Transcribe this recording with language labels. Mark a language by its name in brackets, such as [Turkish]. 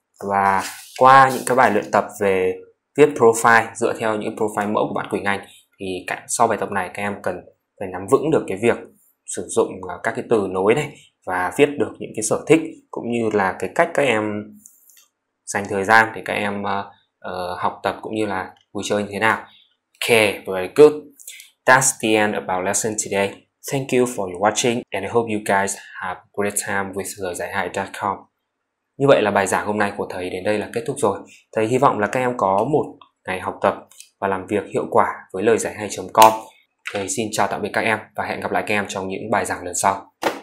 [Vietnamese] Và qua những cái bài luyện tập về viết profile dựa theo những profile mẫu của bạn Quỳnh Anh thì sau bài tập này các em cần phải nắm vững được cái việc sử dụng các cái từ nối này và viết được những cái sở thích cũng như là cái cách các em dành thời gian để các em học tập cũng như là vui chơi như thế nào. [English] Okay, very good. That's the end of our lesson today. Thank you for watching and I hope you guys have a great time with giờ giải hài.com. [Vietnamese] Như vậy là bài giảng hôm nay của thầy đến đây là kết thúc rồi. Thầy hy vọng là các em có một ngày học tập và làm việc hiệu quả với lời giải hay.com. Thầy xin chào tạm biệt các em và hẹn gặp lại các em trong những bài giảng lần sau.